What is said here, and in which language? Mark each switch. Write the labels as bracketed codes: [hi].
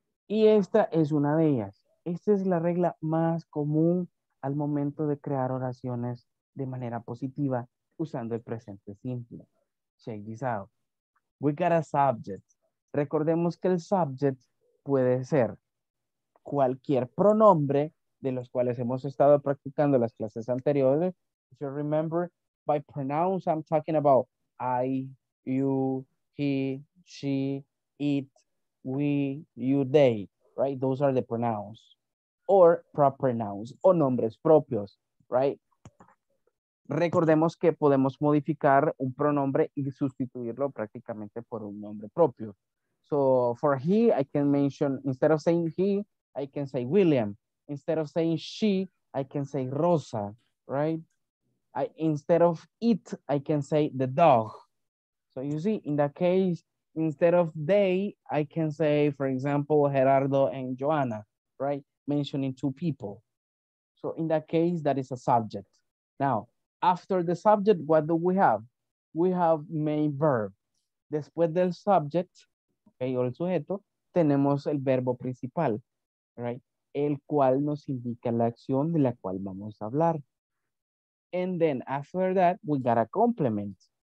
[es] Y esta es una de ellas. Esta es la regla más común al momento de crear oraciones de manera positiva usando el presente simple. [en] Check this out. We got a subject. [es] Recordemos que el subject puede ser cualquier pronombre de los cuales hemos estado practicando las clases anteriores. [en] If you remember, by pronouns, I'm talking about I, you, he, she, it, we, you, they, right? Those are the pronouns. Or proper nouns, [es] o nombres propios, [en] right? [es] Recordemos que podemos modificar un pronombre y sustituirlo prácticamente por un nombre propio. [en] So for he, I can mention, instead of saying he, I can say William. Instead of saying she, I can say Rosa, right? Instead of it, I can say the dog. So you see, in that case, instead of they, I can say, for example, Gerardo and Joanna, right? Mentioning two people. So in that case, that is a subject. Now, after the subject, what do we have? We have main verb. [es] Después del subject, okay, o el sujeto, tenemos el verbo principal, right? El cual nos indica la acción de la cual vamos a hablar. [en] And then after that, we got a complement.